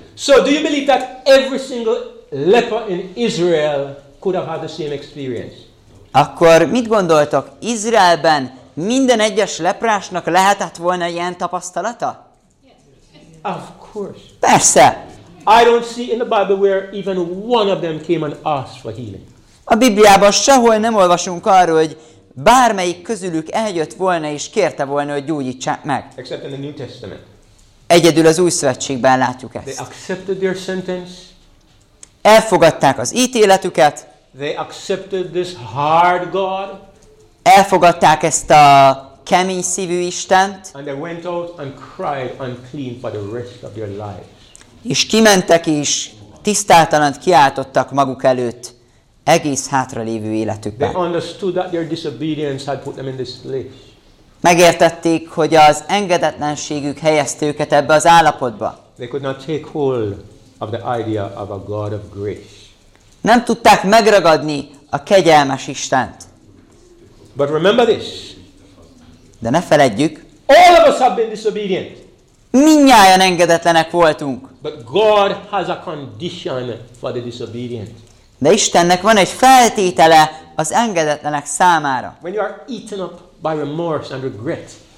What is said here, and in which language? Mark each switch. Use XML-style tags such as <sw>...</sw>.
<en>So do you believe that every single leper in Israel could have had the same experience?</en> <hu>Akkor mit gondoltok, Izraelben minden egyes leprásnak lehetett volna ilyen tapasztalata?</hu> <en>Of course.</en> <hu>Persze.</hu> <en>I don't see in the Bible where even one of them came and asked for healing.</en> <hu>A Bibliában sehol nem olvasunk arról, hogy bármelyik közülük eljött volna és kérte volna, hogy gyógyítsák meg.</hu> <en>Except in the New Testament.</en> <hu>Egyedül az Új Szövetségben látjuk ezt.</hu> <en>They accepted their sentence.</en> <hu>Elfogadták az ítéletüket.</hu> <en>They accepted this hard God.</en> <hu>Elfogadták ezt a kemény szívű Istent.</hu> <en>And they went out and cried unclean for the rest of their lives.</en> <hu>És kimentek és tisztátalant kiáltottak maguk előtt egész hátralévő életükben.</hu> <en>They understood that their disobedience had put them in this place.</en> <hu>Megértették, hogy az engedetlenségük helyezte őket ebbe az állapotba.</hu> <en>They could not take hold of the idea of a God of grace.</en> <hu>Nem tudták megragadni a kegyelmes Istent.</hu> <en>But remember this.</en> <hu>De ne feledjük.</hu> <en>All of us have been disobedient.</en> <hu>Mindnyájan engedetlenek voltunk.</hu> <en>But God has a condition for the disobedient.</en> <hu>De Istennek van egy feltétele az engedetlenek számára.</hu> <en>When you are eaten up by remorse and regret.</en>